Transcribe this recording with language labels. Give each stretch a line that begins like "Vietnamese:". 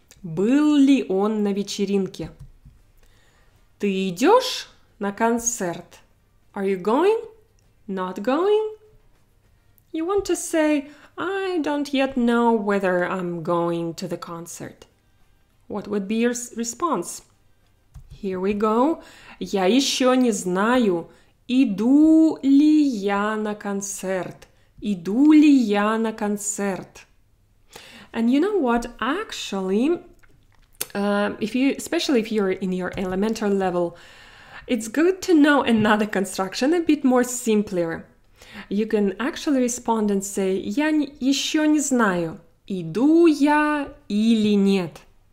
Russian: Был ли он на вечеринке? Ты идешь на концерт?
English: Are you going? Not going? You want to say, I don't yet know whether I'm going to the concert. What would be your response? Here we go.
Russian: Я еще не знаю, иду ли я на концерт. Иду ли я на концерт.
English: And you know what? Actually, especially if you're in your elementary level, it's good to know another construction a bit more simpler. You can actually respond and say,
Russian: Я еще не знаю, иду я или нет.